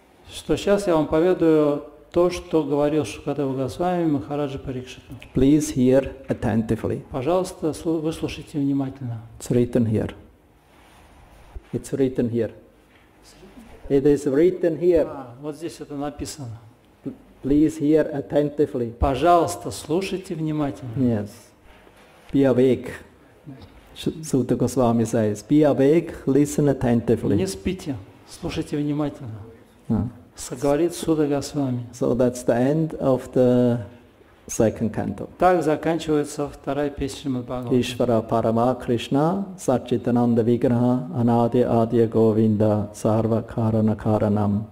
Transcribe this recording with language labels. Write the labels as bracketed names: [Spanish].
[Russian] Что сейчас я вам поведаю то, что говорил Шукадева Госвами Махараджа Парикшита. [English] Please hear attentively. [Russian] Пожалуйста, выслушайте внимательно. [English] It's written here. It's written here. It is written here. [Russian] Вот здесь это написано. [English] Please hear attentively. [Russian] Пожалуйста, слушайте внимательно. [English] Yes. Be awake. Sutta Goswami says. Be awake, listen attentively. [Russian] Не спите, слушайте внимательно. Говорит Сута Госвами. [English] So that's the end of the second canto. [Russian] Так заканчивается вторая песня Шримад-Бхагаватам. [Sanskrit] Ишвара Парама Кришна Сачитананда Виграха Анади Адья Говинда Сарва Карана Каранам.